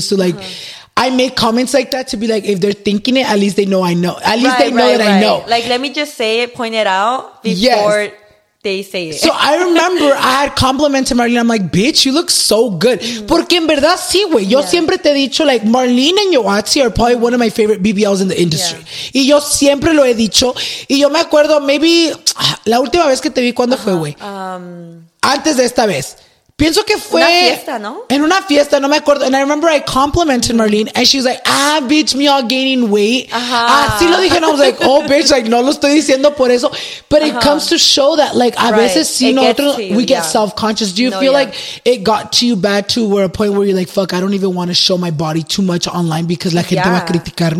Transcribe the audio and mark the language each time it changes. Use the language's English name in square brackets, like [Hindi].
[English] So like, I make comments like that to be like, if they're thinking it, at least they know I know. At least they know that I know. Like, let me just say it, point it out before they say it. So I remember I had complimented Marlene. I'm like, bitch, you look so good. [Spanish] Porque en verdad sí, güey. Yo siempre te he dicho, [English] like, Marlene and Yoatzy are probably one of my favorite BBLs in the industry. [Spanish] Yeah. Y yo siempre lo he dicho. Y yo me acuerdo, maybe, la última vez que te vi, ¿cuándo fue, güey? Antes de esta vez. Pienso que fue... Una fiesta, ¿no? En una fiesta, no me acuerdo. [English] And I remember I complimented Marlene and she was like, ah, bitch, me all gaining weight. [Spanish] Ajá. Así lo dije [English] and I was like, oh, bitch, like, [Spanish] no lo estoy diciendo por eso. [English] But it comes to show that, like, [Spanish] a veces si nosotros, [English] we get self-conscious. Do you feel like it got to you bad to where a point where you're like, fuck, I don't even want to show my body too much online because [Spanish] la gente va a criticarme?